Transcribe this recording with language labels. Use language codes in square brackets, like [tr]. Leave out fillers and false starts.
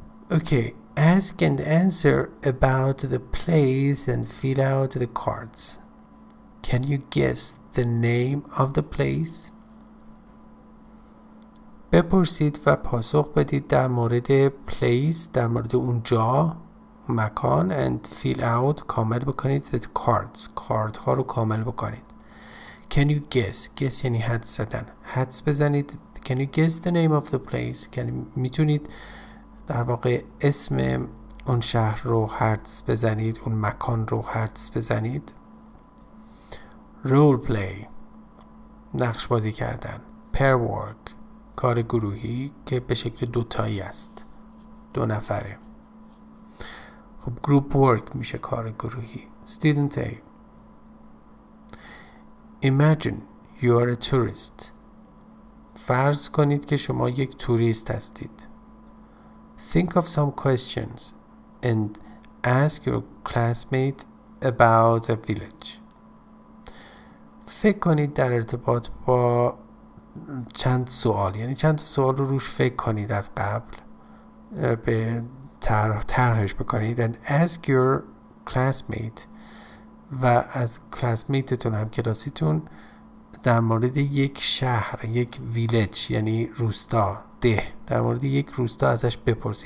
[en] Okay, ask and answer about the place and fill out the cards. Can you guess the name of the place؟ [fa] بپرسید و پاسخ بدید در مورد place، در مورد اونجا، مکان، [en] and fill out، [fa] کامل بکنید [en] the cards، [fa] کارت ها رو کامل بکنید. [en] Can you guess، guess [fa] یعنی حدس زدن، حدس بزنید. [en] Can you guess the name of the place، [fa] میتونید در واقع اسم اون شهر رو حدس بزنید، اون مکان رو حدس بزنید. رول پلی، نقش بازی کردن. پیر ورک، کار گروهی که به شکل دوتایی است، دو نفره. خب گروپ ورک میشه کار گروهی. [en] student A, imagine you are a tourist, [fa] فرض کنید که شما یک توریست هستید. [en] Think of some questions and ask your classmate about a village. [fa] فکر کنید در ارتباط با چند سوال، یعنی چند سوال رو روش فکر کنید از قبل، به طرحش بکنید. [en] And ask your classmate، [fa] و از کلاسمیتتون، هم کلاسیتون، در مورد یک شهر، یک ویلج، یعنی روستا، ده، در مورد یک روستا ازش بپرسید.